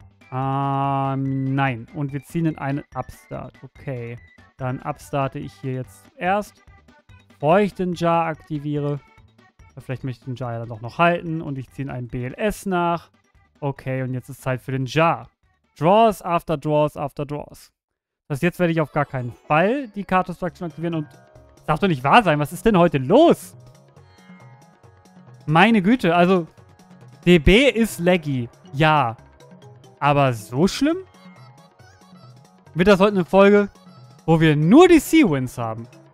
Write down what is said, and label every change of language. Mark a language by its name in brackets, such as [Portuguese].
[German] Nein. Und wir ziehen in einen Upstart. Okay, dann upstarte ich hier jetzt erst, bevor ich den Jar aktiviere. Vielleicht möchte ich den Jar ja dann doch noch halten. Und ich ziehe einen BLS nach. Okay, und jetzt ist Zeit für den Jar. [English] Draws after draws after draws. [German] Das heißt, jetzt werde ich auf gar keinen Fall die Card Destruction aktivieren. Und das darf doch nicht wahr sein. Was ist denn heute los? Meine Güte, also DB ist laggy. Ja, aber so schlimm? Wird das heute eine Folge, wo wir nur die C-Wins haben?